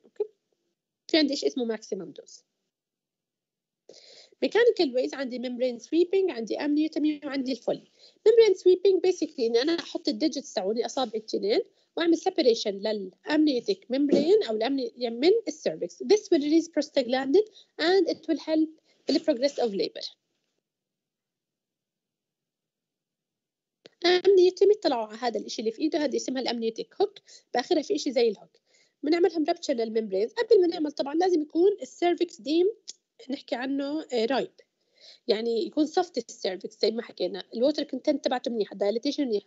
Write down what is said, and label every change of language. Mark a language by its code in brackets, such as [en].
[ar] اوكي، في عندي ايش اسمه [en] maximum dose. [ar] ميكانيكال ويز عندي ميمبرين سويبينج، عندي امنيوتومي وعندي الفل. ميمبرين سويبينج بيسكلي ان انا احط الديجيتس تاعوني اصابع التنين واعمل سيبريشن للامنيوتيك ميمبرين او الامني من السيرفكس. [en] This will release prostaglandin and it will help in the progress of labor. [ar] امنيوتومي طلعوا على هذا الشيء اللي في ايده، هذا اسمها الامنيوتيك هوك، باخرها في شيء زي الهوك. بنعملهم رابتشر للميمبرين. قبل ما نعمل طبعا لازم يكون السيرفكس ديم نحكي عنه رايب، يعني يكون صفت السيرفكس زي ما حكينا، الووتر كونتنت تبعته منيح، الدايليتيشن منيح.